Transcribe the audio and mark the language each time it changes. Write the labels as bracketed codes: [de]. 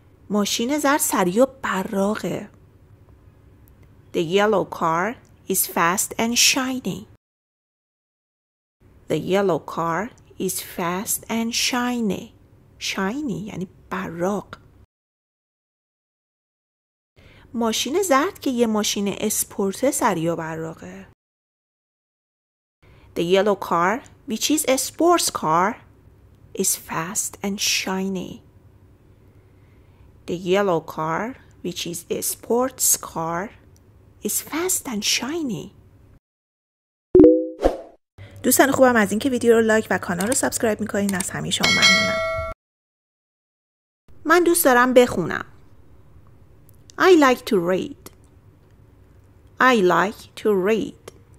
[fa] ماشین زرد سریع و براقه. [en] The yellow car is fast and shiny. The yellow car is fast and shiny. [fa] Shiny یعنی براق. ماشین زرد که یه ماشین اسپورته سریع و براقه. [en] The yellow car, which is a sports car, is fast and shiny. The yellow car, which is a sports car, is fast and shiny. [fa] دوستان خوبم، از اینکه ویدیو رو لایک و کانال رو سابسکرایب میکنین از همیشه ممنونم. من دوست دارم بخونم. [en] I like to read. I like to read.